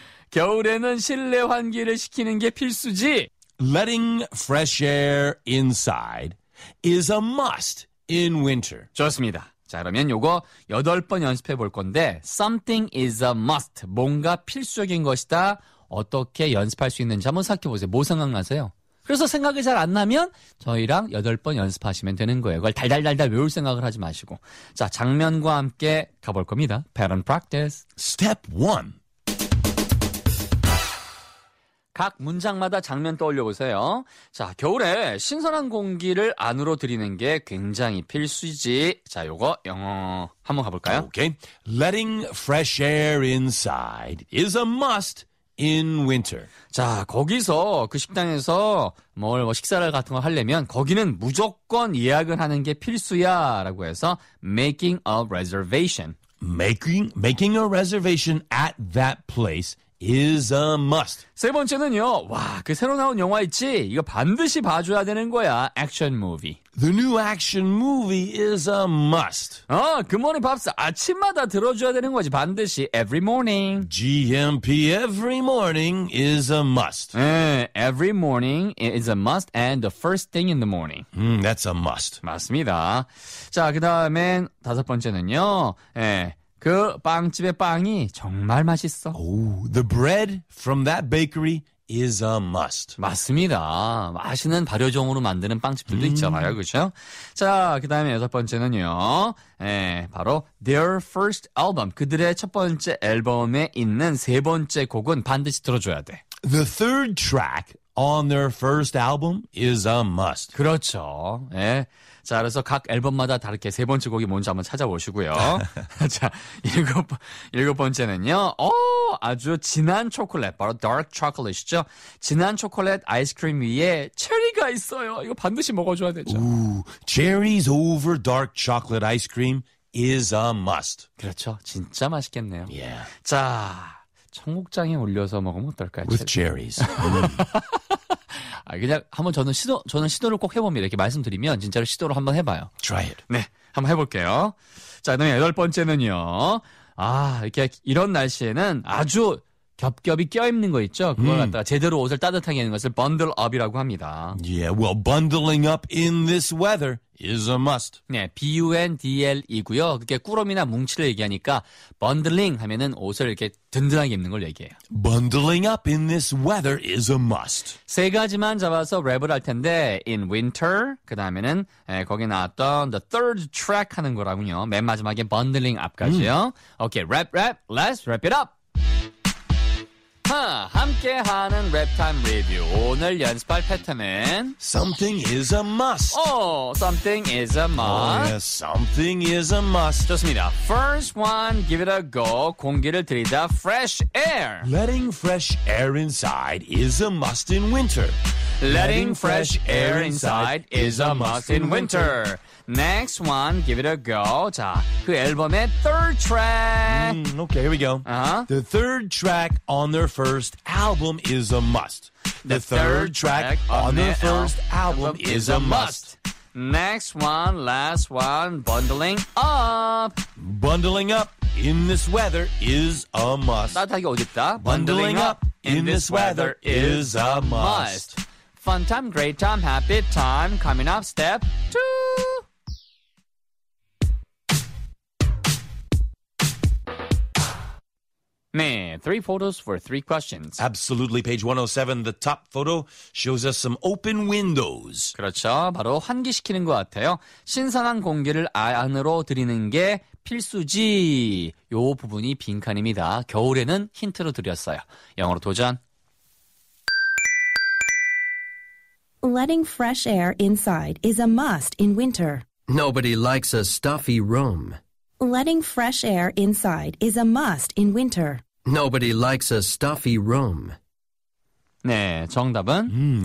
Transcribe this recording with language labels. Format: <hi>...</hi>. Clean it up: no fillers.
<ko>겨울에는 실내 환기를 시키는 게 필수지.</ko> <en>Letting fresh air inside is a must in winter.</en> <ko>좋습니다. 자, 그러면 요거 8번 연습해 볼 건데</ko> <en>something is a must.</en> <ko>뭔가 필수적인 것이다. 어떻게 연습할 수 있는지 한번 생각해 보세요. 뭐 생각나세요? 그래서 생각이 잘 안 나면 저희랑 8번 연습하시면 되는 거예요. 그걸 달달달달 외울 생각을 하지 마시고. 자, 장면과 함께 가볼 겁니다.</ko> <en>Pattern practice. Step 1.</en> <ko>각 문장마다 장면 떠올려 보세요. 자, 겨울에 신선한 공기를 안으로 들이는 게 굉장히 필수지. 자, 요거 영어 한번 가볼까요?</ko> <en>Okay. Letting fresh air inside is a must in winter.</en> <ko>자, 거기서 그 식당에서 뭐 식사를 같은 거 하려면 거기는 무조건 예약을 하는 게 필수야라고 해서</ko> <en>making a reservation. Making a reservation at that place is a must.</en> <ko>세 번째는요. 와, 그 새로 나온 영화 있지? 이거 반드시 봐줘야 되는 거야.</ko> <en>Action movie. The new action movie is a must.</en> <ko>어, 굿모닝 팝스. 아침마다 들어줘야 되는 거지. 반드시.</ko> <en>Every morning. GMP every morning is a must. 네, every morning is a must and the first thing in the morning. That's a must.</en> <ko>맞습니다. 자, 그 다음에 다섯 번째는요. 네. 그 빵집의 빵이 정말 맛있어.</ko> <en>The bread from that bakery is a must.</en> <ko>맞습니다. 맛있는 발효종으로 만드는 빵집들도 있잖아요. 그렇죠? 자, 그 다음에 여섯 번째는요. 예, 바로</ko> <en>their first album.</en> <ko>그들의 첫 번째 앨범에 있는 세 번째 곡은 반드시 들어줘야 돼.</ko> <en>The third track on their first album is a must.</en> <ko>그렇죠. 예. 자, 그래서 각 앨범마다 다르게 세 번째 곡이 뭔지 한번 찾아보시고요. 자, 일곱 번째는요. 오, 아주 진한 초콜릿, 바로 dark chocolate이죠. 진한 초콜릿 아이스크림 위에 체리가 있어요. 이거 반드시 먹어줘야 되죠.</ko> <en>Ooh, cherries over dark chocolate ice cream is a must.</en> <ko>그렇죠. 진짜 맛있겠네요.</ko> <en>Yeah.</en> <ko>자, 청국장에 올려서 먹으면 어떨까요?</ko> <en>With cherries.</en> <ko>아, 그냥 한번 저는 시도를 꼭 해봅니다. 이렇게 말씀드리면 진짜로 시도를 한번 해봐요.</ko> <en>Try it.</en> <ko>네, 한번 해볼게요. 자, 그다음에 여덟 번째는요. 아, 이렇게 이런 날씨에는 아주 겹겹이 껴입는 거 있죠. 그걸 갖다가 제대로 옷을 따뜻하게 하는 것을 bundle up이라고 합니다.</ko> <en>Yeah, well, bundling up in this weather is a must.</en> <ko>네, bundle이고요. 그게 꾸러미나 뭉치를 얘기하니까 bundling 하면은 옷을 이렇게 든든하게 입는 걸 얘기해요.</ko> <en>Bundling up in this weather is a must.</en> <ko>세 가지만 잡아서 랩을 할 텐데</ko> <en>in winter</en> <ko>그 다음에는 거기 나왔던</ko> <en>the third track</en> <ko>하는 거라군요. 맨 마지막에 bundling up까지요.</ko> <en>Okay, rap, let's wrap it up.</en> <ko>함께하는 랩타임 리뷰. 오늘 연습할 패턴은</ko> <en>Something is a must. Something is a must. Oh, yeah. Something is a must.</en> <ko>좋습니다.</ko> <en>First one, give it a go.</en> <ko>공기를 들이다.</ko> <en>Fresh air. Letting fresh air inside is a must in winter. Letting fresh air inside is a must in winter. Next one, give it a go.</en> <ko>자, 그 앨범의</ko> <en>third track. Okay, here we go. The third track on their first album is a must. The third track on their first album is a must. Next one, last one, bundling up. Bundling up in this weather is a must.</en> <ko>따뜻하게 옷 입다.</ko> <en>Bundling up in this weather is a must. Fun time, great time, happy time. Coming up, step two. 네, three photos for three questions. Absolutely, page 107, the top photo shows us some open windows.</en> <ko>그렇죠, 바로 환기시키는 것 같아요. 신선한 공기를 안으로 들이는 게 필수지. 요 부분이 빈칸입니다. 겨울에는 힌트로 드렸어요. 영어로 도전.</ko> <en>Letting fresh air inside is a must in winter. Nobody likes a stuffy room. Letting fresh air inside is a must in winter. Nobody likes a stuffy room.</en> <ko>네, 정답은</ko>